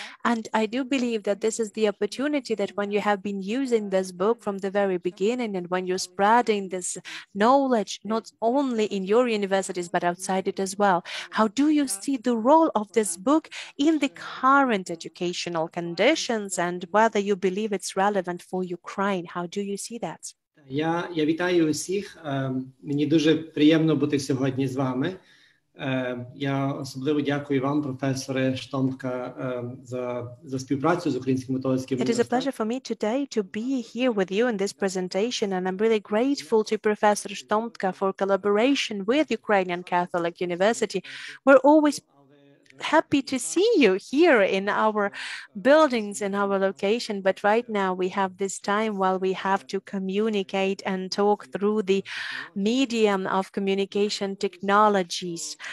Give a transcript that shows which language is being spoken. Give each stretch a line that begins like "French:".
English: And I do believe that this is the opportunity that when you have been using this book from the very beginning and when you're spreading this knowledge, not only in your universities, but outside it as well. How do you see the role of this book in the current educational conditions and whether you believe it's relevant for Ukraine? How do you see that?
Ukrainian: Я вітаю усіх. Мені дуже приємно бути сьогодні з вами. Я особливо дякую вам, професоре Штомка, за співпрацю з українським католицьким.
English: It is a pleasure for me today to be here with you in this presentation, and I'm really grateful to Professor Штомка for collaboration with Ukrainian Catholic University. We're always happy to see you here in our buildings, in our location, but right now we have this time while we have to communicate and talk through the medium of communication technologies.